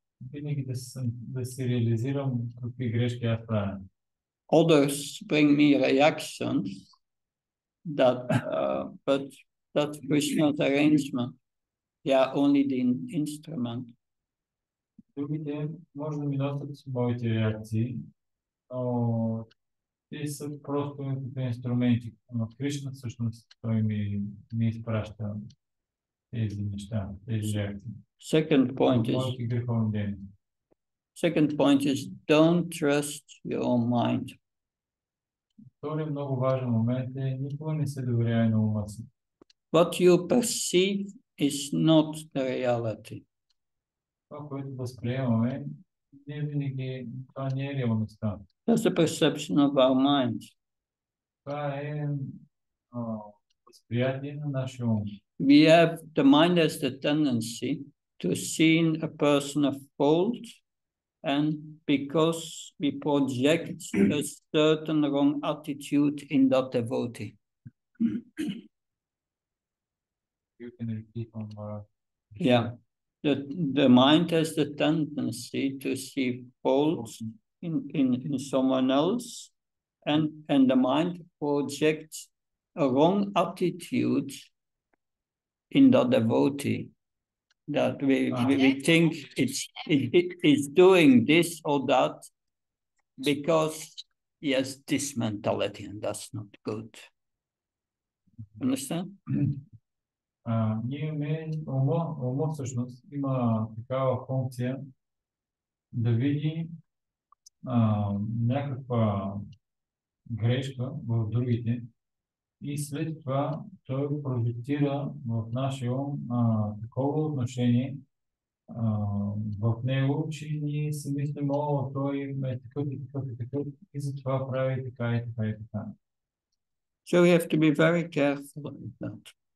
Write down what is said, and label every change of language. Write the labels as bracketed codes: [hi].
[bg] Винаги да си реализирам какви грешки аз правя. [en] Others bring me reactions that but that Krishna's arrangement. They are only the instrument. [bg] Другите може да ми носят моите реакции, но те са просто инструменти. Но Кришна всъщност той ми изпраща тези неща, тези реакции. [en] Second point is don't trust your own mind. [bg] Втори много важен момент е никога не се доверяй на ума си. [en] What you perceive is not the reality. [bg] Това, което възприемаме, не винаги това не е реалността. [en] That's the perception of our mind. [bg] Това е възприятие на нашия ум. [en] We have the mind as the tendency to see a person of fault, and because we project a certain wrong attitude in that devotee. You can repeat on Yeah. The mind has the tendency to see faults in someone else, and the mind projects a wrong attitude in the devotee, that we think it's doing this or that because he has this mentality, and that's not good. Understand? [bg] Ние имаме ума, всъщност има такава функция да види някаква грешка в другите и след това той проектира в нашия ум такова отношение в него, че ние си мислим, о, той е такъв и такъв и такъв и затова прави така и така и така. [en] So we have to be very careful with that.